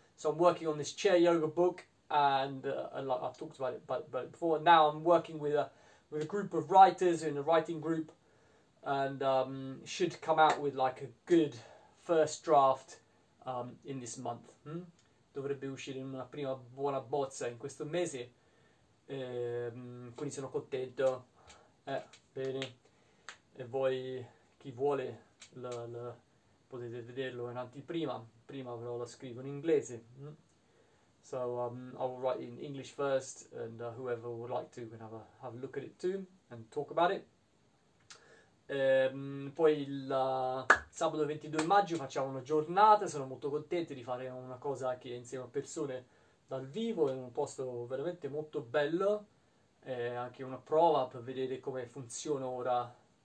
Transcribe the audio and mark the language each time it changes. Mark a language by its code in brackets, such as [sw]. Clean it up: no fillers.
[en] So I'm working on this chair yoga book and I've talked about it before. Now I'm working with a group of writers in a writing group and should come out with like a good first draft in this month. [it] Dovrebbe uscire una prima buona bozza in questo mese. Quindi sono contento. Bene. E voi, chi vuole, potete vederlo in anteprima, prima però lo scrivo in inglese. [en] So, I will write in English first, and whoever would like to can have a look at it too and talk about it. [it] Poi il sabato 22 maggio facciamo una giornata, sono molto contento di fare una cosa che è insieme a persone dal vivo, in un posto veramente molto bello, è anche una prova per vedere come funziona ora.